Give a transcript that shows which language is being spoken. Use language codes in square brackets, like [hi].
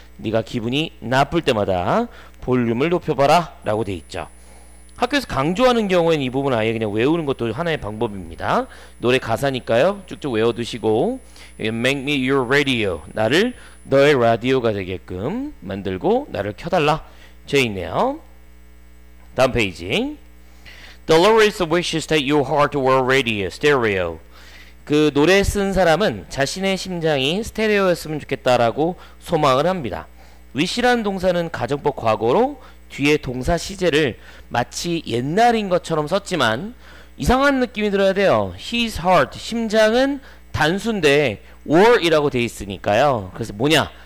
[ko] 네가 기분이 나쁠 때마다 볼륨을 높여봐라 라고 돼 있죠. 학교에서 강조하는 경우에는 이 부분 아예 그냥 외우는 것도 하나의 방법입니다. 노래 가사니까요. 쭉쭉 외워두시고 [en] Make me your radio. [ko] 나를 너의 라디오가 되게끔 만들고 나를 켜달라. 돼 있네요. 다음 페이지. [en] The lyrics wishes that your heart were radio, stereo. [ko] 그 노래 쓴 사람은 자신의 심장이 스테레오였으면 좋겠다라고 소망을 합니다. wish라는 동사는 가정법 과거로 뒤에 동사 시제를 마치 옛날인 것처럼 썼지만 이상한 느낌이 들어야 돼요. [en] His heart, [ko] 심장은 단순데 were이라고 돼 있으니까요. 그래서 뭐냐?